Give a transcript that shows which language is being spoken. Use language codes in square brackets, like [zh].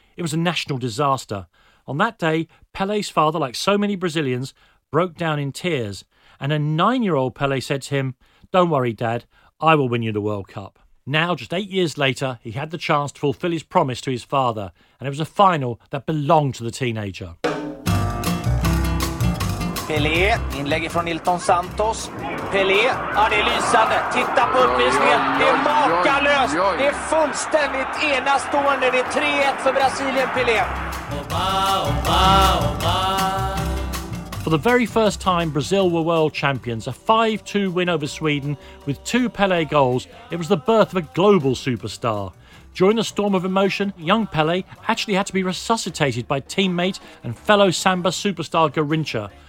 [en] It was a national disaster. On that day, Pelé's father, like so many Brazilians, broke down in tears. And a 9-year-old Pelé said to him, "Don't worry, Dad, I will win you the World Cup." Now, just 8 years later, he had the chance to fulfil his promise to his father. And it was a final that belonged to the teenager. [sv] Pelé, inlägg från Nilton Santos. Pelé, ja, det är lysande. Titta på uppvisningen. Det är makalöst. Det är fullständigt enastående. Det är 3-1 för Brasilien, Pelé. [en] For the very first time, Brazil were world champions. A 5-2 win over Sweden with two Pelé goals. It was the birth of a global superstar. During the storm of emotion, young Pelé actually had to be resuscitated by teammate and fellow Samba superstar Garrincha.